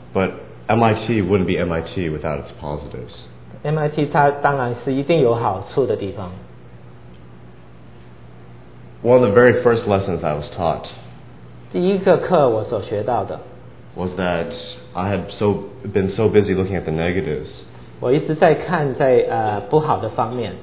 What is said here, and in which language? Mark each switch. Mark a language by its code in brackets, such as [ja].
[en] But MIT wouldn't be MIT without its positives. [zh] MIT 它当然是一定有好处的地方。 [en] One of the very first lessons I was taught. [zh] 第一个课我所学到的 [en] was that I had been so busy looking at the negatives. [zh] 我一直在看在不好的方面